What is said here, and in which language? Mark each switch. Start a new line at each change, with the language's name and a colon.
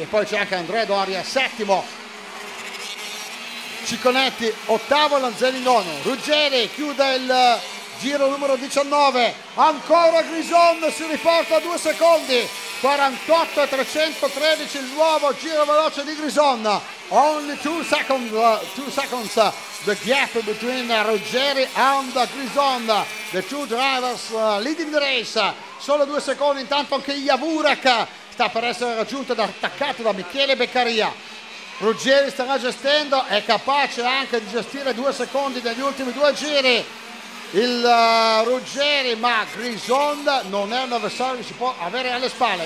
Italian: E poi c'è anche Andrea Doria, settimo. Ciconetti ottavo, Lanzeni nono. Ruggeri chiude il giro numero 19. Ancora Grison si riporta a 2 secondi, 48 e 313, il nuovo giro veloce di Grison.
English: Only two seconds the gap between Ruggeri and Grison, the two drivers leading the race.
Italian: Solo 2 secondi. Intanto anche Javurek sta per essere raggiunto ed attaccato da Michele Beccaria. Ruggeri starà gestendo, è capace anche di gestire 2 secondi degli ultimi due giri il Ruggeri, ma Grison non è un avversario che si può avere alle spalle.